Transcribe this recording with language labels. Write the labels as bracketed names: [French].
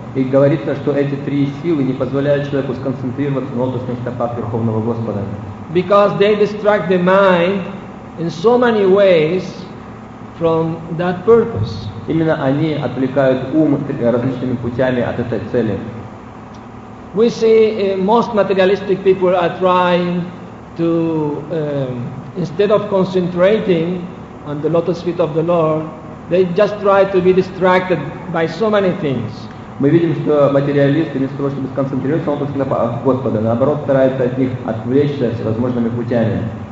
[Russian] И говорится, что эти три силы не позволяют человеку сконцентрироваться на лотосных стопах Верховного Господа. [English] Because they distract the mind in so many ways from that purpose. [Russian] Именно они отвлекают ум различными путями от этой цели. [English] We see most materialistic people are trying to instead of concentrating on the lotus feet of the Lord, they just try to be distracted by so many things. [Russian] Мы видим, что материалисты, вместо того, чтобы сконцентрироваться на лотосных стопах Господа, наоборот, стараются от них отвлечься всевозможными путями.